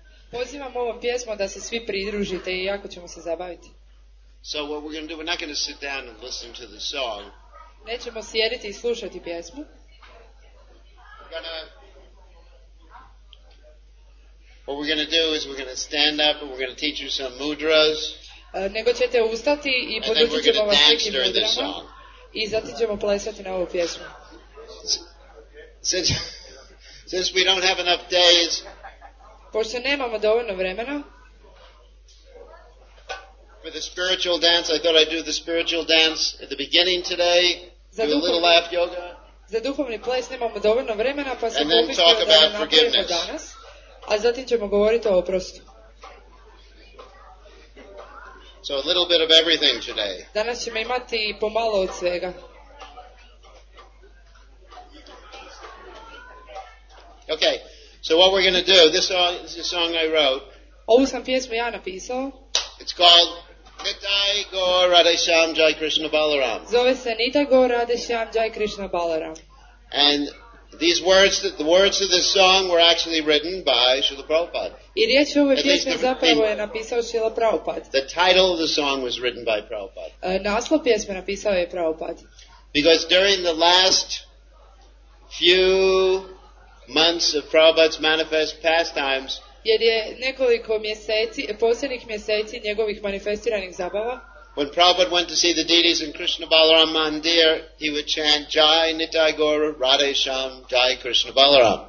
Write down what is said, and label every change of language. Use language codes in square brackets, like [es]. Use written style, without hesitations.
[hr] Pozivam ovom pjesmom da se svi pridružite i jako ćemo se zabaviti. [en] So what we're going to do, we're not going to sit down and listen to the song. [hr] Nećemo sjediti i slušati pjesmu. [en] What we're going to do is we're going to stand up and we're going to teach you some mudras. [hr] Nego ćete ustati i podučit ćemo vas neki mudrama. I zatim ćemo plesati na ovu pjesmu. [en] Since we don't have enough days, [hr] pošto nemamo dovoljno vremena, [en] for the spiritual dance, I thought I'd do the spiritual dance at the beginning today. Do a little laugh yoga. [hr] Za duhovni ples nemamo dovoljno vremena, pa se pomislimo da napravimo danas. A zatim ćemo govoriti o oprostu. [en] So a little bit of everything today. [hr] Danas ćemo imati pomalo od svega. [en] Okay, so what we're going to do, this is a song I wrote. [hr] Ovu sam pjesmu ja napisao. [en] It's called Nitai Gaur Radhe Shyam Jai Krishna Balaram. [hr] Zove se Nitai Gaur Radhe Shyam Jai Krishna Balaram. [en] And the words of this song were actually written by Srila Prabhupada. [hr] I riječ ove pjesme zapravo je napisao Srila Prabhupada. [en] The title of the song was written by Prabhupada. [hr] Naslov pjesme napisao je Prabhupada. [en] Because during the last few months of Prabhupada's manifest pastimes, [hr] jer je nekoliko mjeseci, posljednjih mjeseci njegovih manifestiranih zabava. [en] When Prabhupada went to see the deities in Krishna Balaram Mandir, he would chant Jai Nitai Gaur Radhe Shyam Jai Krishna Balaram.